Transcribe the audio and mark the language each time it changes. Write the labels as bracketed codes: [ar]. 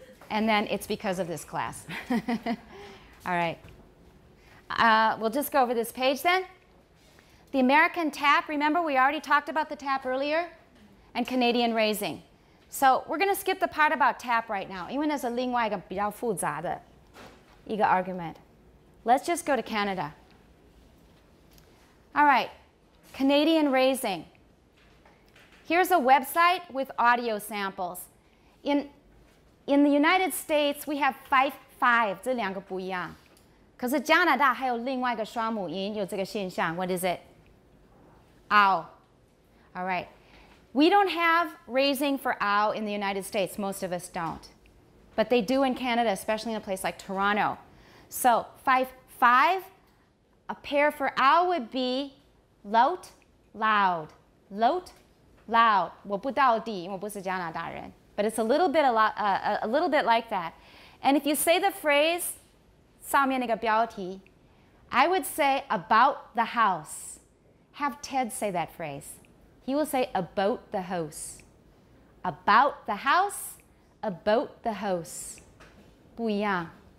[en] And then it's because of this class. All right. We'll just go over this page then. The American tap, remember we already talked about the tap earlier, and Canadian raising. So we're going to skip the part about tap right now. [zh] 因为那是另外一个比较复杂的。 [en] 一个 argument. Let's just go to Canada. All right, Canadian raising. Here's a website with audio samples. In the United States, we have five, five. [zh] 这两个不一样。可是加拿大还有另外一个双母音有这个现象。 [en] What is it? Ow. All right. We don't have raising for ow in the United States. Most of us don't. But they do in Canada, especially in a place like Toronto. So, five, five, a pair for ow would be lout, loud, lout, loud. [zh] 我不到底，因为我不是加拿大人。 [en] But it's a little bit like that. And if you say the phrase, [zh] 上面那个标题, [en] I would say about the house. Have Ted say that phrase. He will say about the house. About the house, about the house. [zh] 不一样。